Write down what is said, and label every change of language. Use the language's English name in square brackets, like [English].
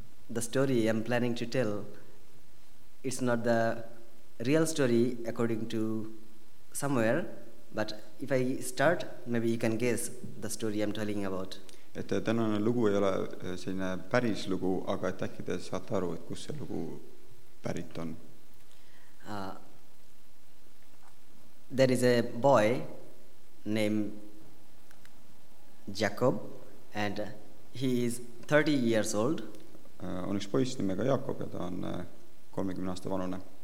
[English] The story I'm planning to tell, it's not the real story according to somewhere, but if I start, maybe you can guess the story I'm telling about. [Estonian] Et tänane lugu ei ole selline päris lugu, aga et äkki te saate aru, et kus see lugu pärit on. [English] There is a boy named Jacob and he is 30 years old. [Estonian] On üks poiss nimega Jakob ja ta on 30 aasta vanune.